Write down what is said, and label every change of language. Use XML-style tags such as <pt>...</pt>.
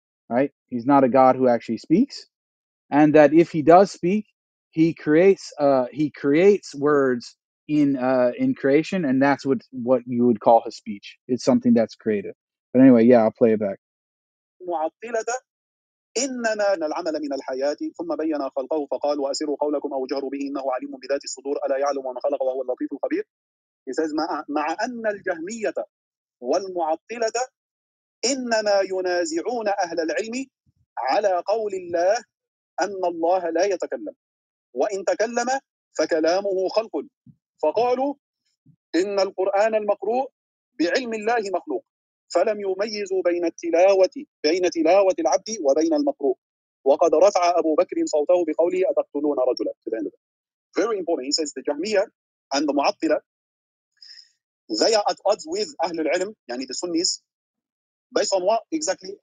<en>Right, he's not a God who actually speaks, and that if he does speak, he creates words in creation, and that's what you would call his speech. It's something that's created. But anyway, yeah, I'll play it back.</en> <ar>إننا العمل من الحياة ثم بين خلقه فقال وأسروا قولكم أو جهروا به إنه عليم بذات الصدور ألا يعلم من خلق وهو اللطيف الخبير.</ar> <en>He says,</en> <ar>مع أن الجهمية والمعطلة إنما ينازعون أهل العلم على قول الله أن الله لا يتكلم وإن تكلم فكلامه خلق فقالوا إن القرآن المقروء بعلم الله مخلوق فلم يميزوا بين تلاوة العبد وبين المقروء وقد رفع أبو بكر صوته بقوله أتقتلون رجلا.</ar> <en>Very important. He says the Jahmiyyah and the Mu'attila, they are at odds with Ahlul Ilm, yani the Sunnis, based on what exactly?</en>